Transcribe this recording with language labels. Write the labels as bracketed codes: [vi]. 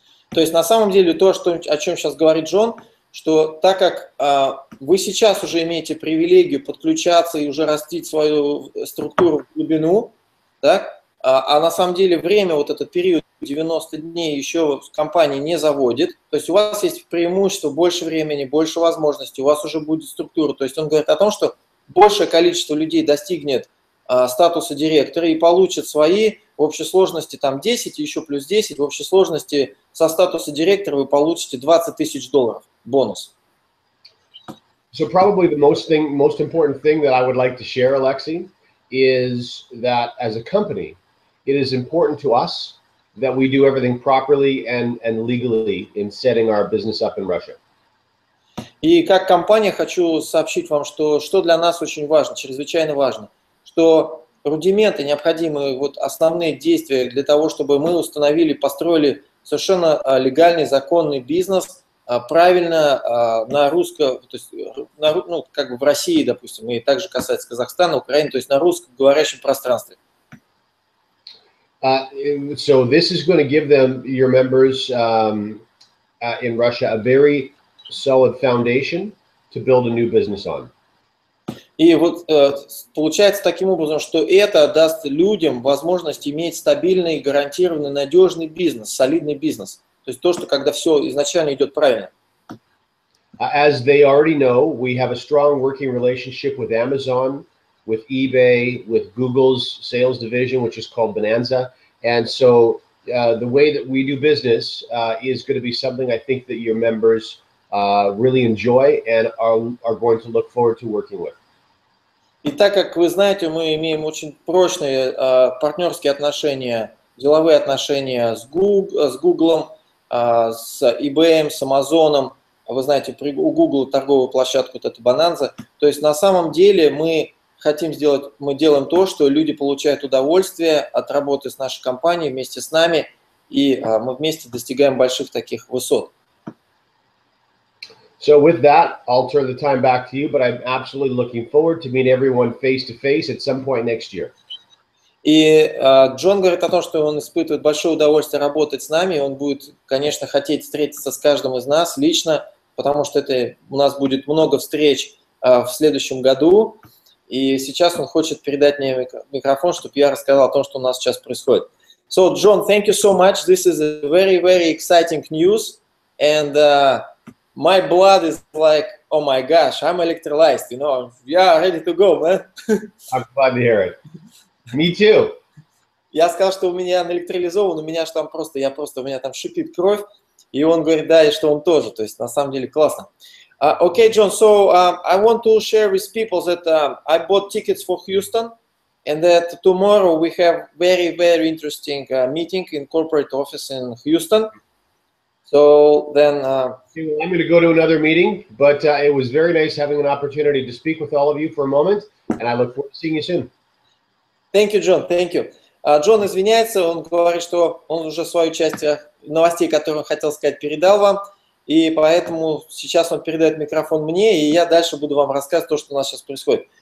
[ru] То есть на самом деле то, что о чем сейчас говорит Джон, что так как вы сейчас уже имеете привилегию подключаться и уже растить свою структуру в глубину, так, а на самом деле время, вот этот период 90 дней еще компания не заводит, то есть у вас есть преимущество, больше времени, больше возможностей, у вас уже будет структура. То есть он говорит о том, что большее количество людей достигнет статуса директора и получит свои в общей сложности там 10, еще плюс 10, в общей сложности со статуса директора вы получите 20 тысяч долларов. Бонус. [en] So probably the most important thing that I would like to share, Alexei, is that as a company, it is important to us that we do everything properly and legally in setting our business up in Russia. [ru] И как компания хочу сообщить вам, что для нас очень важно, чрезвычайно важно, что рудименты, необходимые вот основные действия для того, чтобы мы установили, построили совершенно легальный, законный бизнес. Правильно, на русском, то есть, в России, допустим, и также касается Казахстана, Украины, то есть на русском говорящем пространстве. [en] So this is going to give them, your members in Russia, a very solid foundation to build a new business on. [ru] И вот получается таким образом, что это даст людям возможность иметь стабильный, гарантированный, надежный бизнес, солидный бизнес. То есть то, что когда все изначально идет правильно. [en] As they already know, we have a strong working relationship with Amazon, with eBay, with Google's sales division, which is called Bonanza. And so the way that we do business is going to be something I think that your members really enjoy and are going to look forward to working with. [ru] И так как вы знаете, мы имеем очень прочные партнерские отношения, деловые отношения с Google, с eBay, с Amazon, вы знаете, у Google торговую площадку, вот это Bonanza. То есть на самом деле мы хотим сделать, мы делаем то, что люди получают удовольствие от работы с нашей компанией вместе с нами, и мы вместе достигаем больших таких высот. [en] So with that, I'll turn the time back to you, but I'm absolutely looking forward to meet everyone face-to-face at some point next year. [ru] И Джон говорит о том, что он испытывает большое удовольствие работать с нами, он будет, конечно, хотеть встретиться с каждым из нас лично, потому что это у нас будет много встреч в следующем году, и сейчас он хочет передать мне микрофон, чтобы я рассказал о том, что у нас сейчас происходит. [en] So, John, thank you so much. This is a very, very exciting news, and my blood is like, oh my gosh, I'm electrolyzed, you know, yeah, ready to go, man. I'm glad to hear it. Me too. [ru] Я сказал, что у меня наэлектролизован, у меня же там просто, я просто, у меня там шипит кровь, и он говорит, да, и что он тоже, то есть на самом деле классно. [en] Okay, John, so I want to share with people that I bought tickets for Houston, and that tomorrow we have very, very interesting meeting in corporate office in Houston. So then... I'm going to go to another meeting, but it was very nice having an opportunity to speak with all of you for a moment, and I look forward to seeing you soon. Thank you, John. Thank you. [ru] Джон извиняется, он говорит, что он уже свою часть новостей, которые он хотел сказать, передал вам, и поэтому сейчас он передает микрофон мне, и я дальше буду вам рассказывать то, что у нас сейчас происходит.